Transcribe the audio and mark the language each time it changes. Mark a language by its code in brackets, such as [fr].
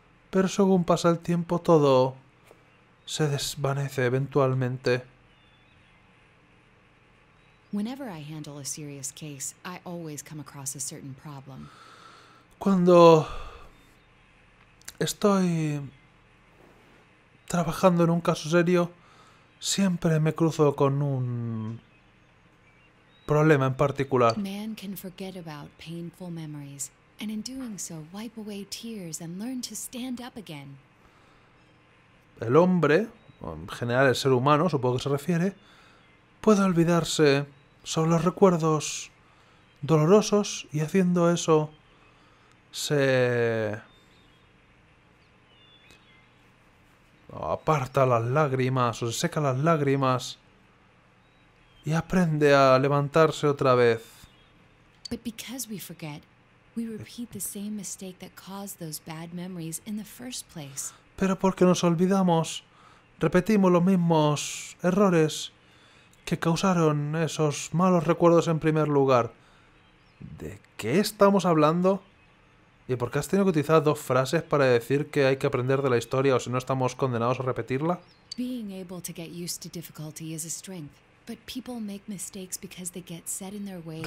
[es] Pero según pasa el tiempo, todo se desvanece eventualmente. [en] Whenever I handle a serious case, I always come across a certain problem. [es] Cuando estoy trabajando en un caso serio, siempre me cruzo con un problema en particular. [en] Man can forget about painful memories, and in doing so, wipe away tears and learn to stand up again. [es] El hombre, en general el ser humano, supongo que se refiere, puede olvidarse sobre los recuerdos dolorosos y haciendo eso se aparta las lágrimas o se seca las lágrimas y aprende a levantarse otra vez. [en] But because we forget, we repeat the same mistake that caused those bad memories in the first place. [es] Pero porque nos olvidamos, repetimos los mismos errores que causaron esos malos recuerdos en primer lugar. ¿De qué estamos hablando? ¿Y por qué has tenido que utilizar dos frases para decir que hay que aprender de la historia o si no estamos condenados a repetirla? [en] Being able to get used to difficulty is a strength, but people make mistakes because they get set in their ways.